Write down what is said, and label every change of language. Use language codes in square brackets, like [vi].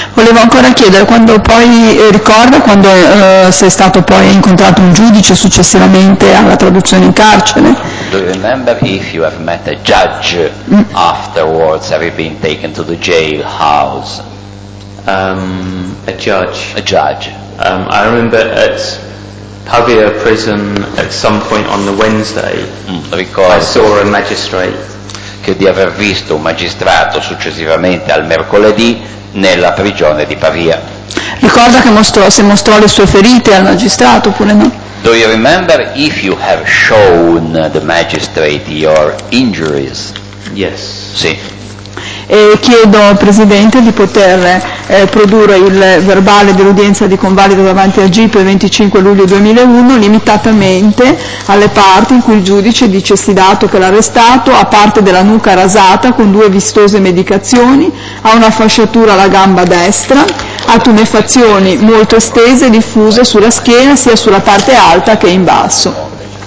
[it] Volevo ancora chiedere quando poi ricorda quando sei stato poi incontrato un giudice successivamente alla traduzione in carcere. [en] Do you remember if you have met a judge afterwards? Have you been taken to the jailhouse? A judge. A judge. I remember at Pavia prison at some point on the Wednesday. [it] Ricordo. [en] I saw a magistrate. [it] Che di aver visto un magistrato successivamente al mercoledì nella prigione di Pavia. Ricorda che mostrò le sue ferite al magistrato oppure no? [en] Do you remember if you have shown the magistrate your injuries? Yes. [it] Sì. E chiedo al presidente di poter produrre il verbale dell'udienza di convalida davanti al GIP il 25 luglio 2001 limitatamente alle parti in cui il giudice dice si dato che l'arrestato a parte della nuca rasata con due vistose medicazioni, ha una fasciatura alla gamba destra, ha tumefazioni molto estese e diffuse sulla schiena sia sulla parte alta che in basso.